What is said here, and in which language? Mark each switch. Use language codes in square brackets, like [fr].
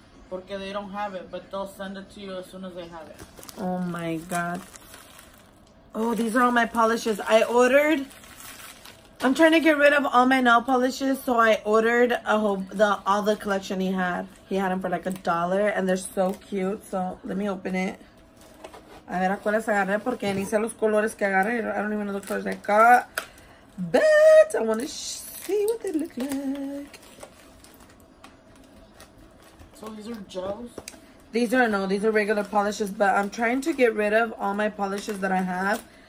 [en] Porque they don't have it, but they'll send it to you as soon as they have it. Oh, my God. Oh, these are all my polishes. I ordered... I'm trying to get rid of all my nail polishes, so I ordered all the collection he had. He had them for like $1, and they're so cute. So let me open it. [es] A ver a cuáles agarré porque ni sé los colores que agarré. [en] I don't even know the colors I got, but I want to see what they look like. So these are gels? These are regular polishes, but I'm trying to get rid of all my polishes that I have.